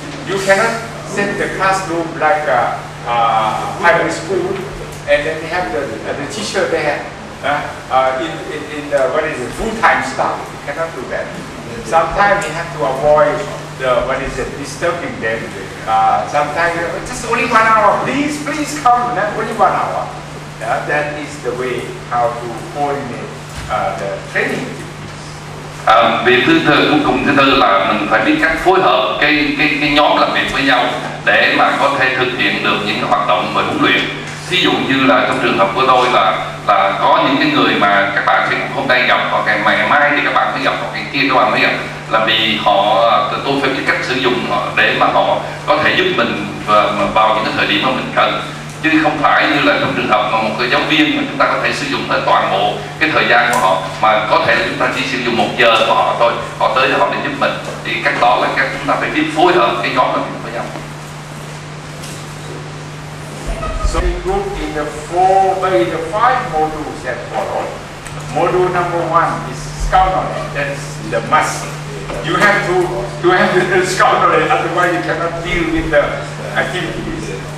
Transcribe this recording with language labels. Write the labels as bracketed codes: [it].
[en] You cannot set the classroom like a primary school, and then have the teacher there in the full time staff. You cannot do that. Sometimes you have to avoid disturbing them. Sometimes just only 1 hour. Please come. Not only 1 hour. That is the way how to coordinate the training. [vi] Việc thứ tư là mình phải biết cách phối hợp cái nhóm làm việc với nhau để mà có thể thực hiện được những hoạt động và huấn luyện. Thí dụ như là trong trường hợp của tôi là có những cái người mà các bạn sẽ hôm nay gặp hoặc ngày mai thì các bạn mới gặp hoặc ngày kia các bạn mới gặp là vì họ tôi phải biết cách sử dụng họ để mà họ có thể giúp mình vào những cái thời điểm mà mình cần. Chứ không phải như là trong trường hợp mà một cái giáo viên mà chúng ta có thể sử dụng hết toàn bộ cái thời gian của họ mà có thể là chúng ta chỉ sử dụng một giờ của họ thôi, họ tới họ để giúp mình. Thì cách đó là cách chúng ta phải biết phối hợp cái nhóm làm việc với nhau. [en] So in group in the five modules that follow, module number one is scout knowledge. That's the must. You have to scout knowledge, otherwise you cannot deal with the activities.